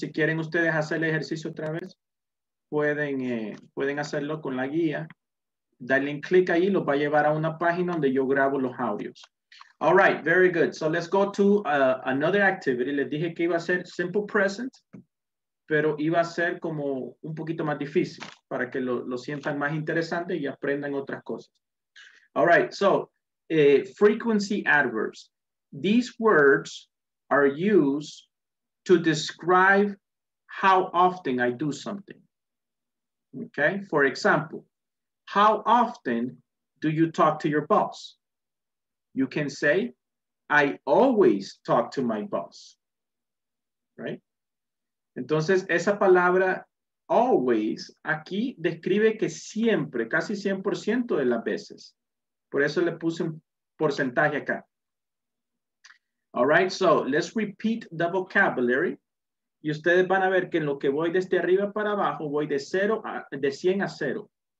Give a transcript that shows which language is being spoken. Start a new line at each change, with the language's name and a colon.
Spanish: Si quieren ustedes hacer el ejercicio otra vez, pueden hacerlo con la guía. Darle un clic ahí, los va a llevar a una página donde yo grabo los audios.
English: All right, very good. So let's go to another activity.
Spanish: Les dije que iba a ser simple present, pero iba a ser como un poquito más difícil para que lo sientan más interesante y aprendan otras cosas.
English: All right, so frequency adverbs. These words are used to describe how often I do something. Okay, for example, how often do you talk to your boss? You can say, I always talk to my boss, right?
Spanish: Entonces, esa palabra always aquí describe que siempre, casi 100% de las veces. Por eso le puse un porcentaje acá.
English: All right, so let's repeat the vocabulary.
Spanish: Y ustedes van a ver que en lo que voy desde arriba para abajo, voy de, de 100 a 0.